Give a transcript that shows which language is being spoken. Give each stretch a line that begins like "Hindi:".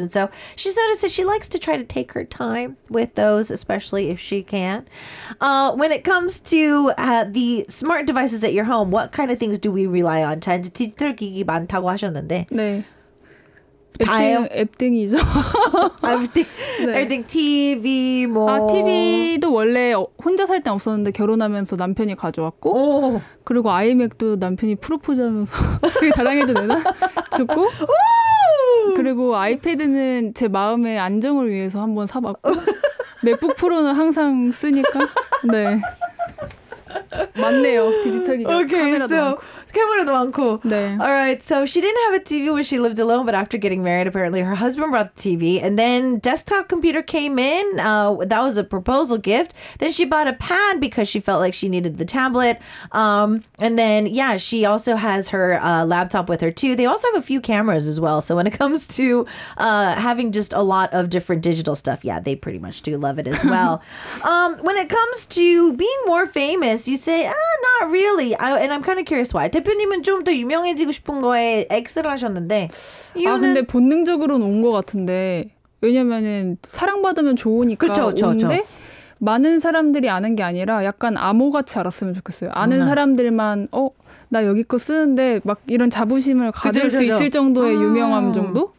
English: And so she's noticed that she likes to try to take her time with those, especially if she can. When it comes to the smart devices at your home, what kind of things do we rely on?
Korean: 자, 이제 디지털 기기 많다고 하셨는데. 네. 앱등이죠. 앱등. 앱등. 네. TV 뭐. 아, TV도 원래 혼자 살 땐 없었는데 결혼하면서 남편이 가져왔고. 오. 그리고 아이맥도 남편이 프로포즈 하면서 그게 자랑해도 되나? 줬고. 오! 그리고 아이패드는 제 마음의 안정을 위해서 한번 사봤고. 맥북 프로는 항상 쓰니까. 네. 맞네요. 디지털 기기.
English: Okay,
Korean: 카메라도
English: so.
Korean: 많고. 캐머리도 많고. 네.
English: All right, so she didn't have a TV when she lived alone, but after getting married, apparently her husband brought the TV, and then desktop computer came in. That was a proposal gift. Then she bought a pad because she felt like she needed the tablet. And then, yeah, she also has her laptop with her, too. They also have a few cameras as well. So when it comes to having just a lot of different digital stuff, yeah, they pretty much do love it as well. when it comes to being more famous, you say, not really. And I'm kind of curious why.
Korean: 대표님은 좀 더 유명해지고 싶은 거에 X를 하셨는데 이유는... 아 근데 본능적으로는 온 것 같은데 왜냐면은 사랑받으면 좋으니까 그쵸, 그쵸, 온데 그쵸. 많은 사람들이 아는 게 아니라 약간 암호같이 알았으면 좋겠어요. 아는 사람들만 나 여기 거 쓰는데 막 이런 자부심을 가질 수 있을 정도의 유명함 정도?